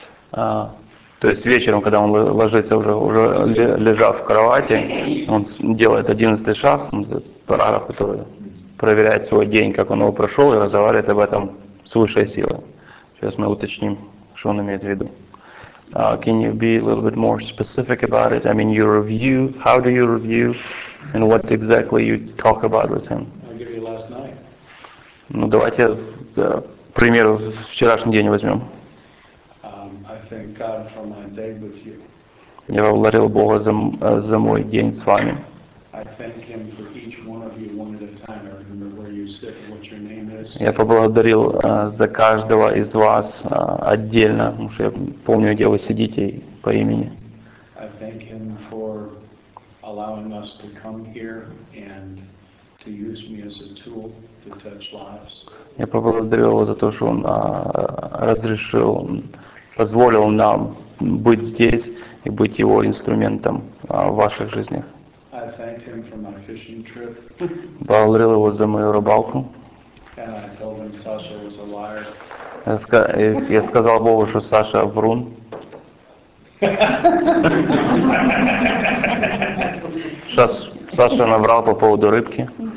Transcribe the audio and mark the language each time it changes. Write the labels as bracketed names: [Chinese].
[Russian] То есть вечером, когда он ложится уже лежа в кровати, он делает 11-й шаг, параграф, который проверяет свой день, как он его прошел, и разговаривает об этом с высшей силой. Сейчас мы уточним, что он имеет в виду. [English] Can you be a little bit more specific about it? I mean, your review, how do you review, and what exactly you talk about with him? I'll give you last night. [Russian] Ну, давайте, пример вчерашний день возьмем. [English] I thank God for my day with you. [Russian] Я благодарил Бога за, за мой день с вами. [English] I thank him for each one of you one at a time. I remember where you sit and what your name is. [Russian] Я поблагодарил за каждого из вас отдельно, потому что я помню, где вы сидите по имени. [English] I thank him for allowing us to come here and to use me as a tool to touch lives. [Russian] Я поблагодарил его за то, что он разрешил, позволил нам быть здесь и быть его инструментом в ваших жизнях. [English] I thanked him for my fishing trip. [Russian] Благодарил его за мою рыбалку. [English] And I told him Sasha was a liar. [Russian] Я сказал Богу, что Саша врун. Сейчас Саша наврал по поводу рыбки.